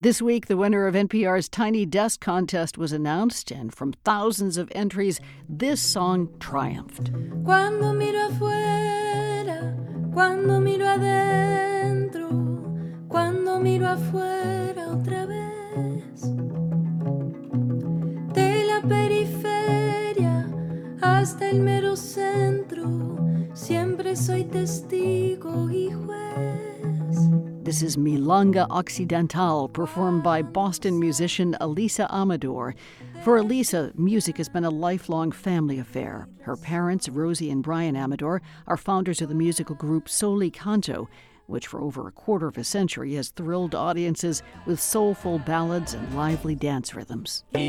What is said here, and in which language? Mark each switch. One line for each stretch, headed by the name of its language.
English: This week, the winner of NPR's Tiny Desk Contest was announced, and from thousands of entries, this song triumphed.
Spanish: Cuando miro afuera, cuando miro adentro, cuando miro afuera otra vez. De la periferia hasta el mero centro, siempre soy testigo y juez.
English: This is Milonga Occidental, performed by Boston musician Elisa Amador. For Elisa, music has been a lifelong family affair. Her parents, Rosie and Brian Amador, are founders of the musical group Soli Canto, which for over a quarter of a century has thrilled audiences with soulful ballads and lively dance rhythms.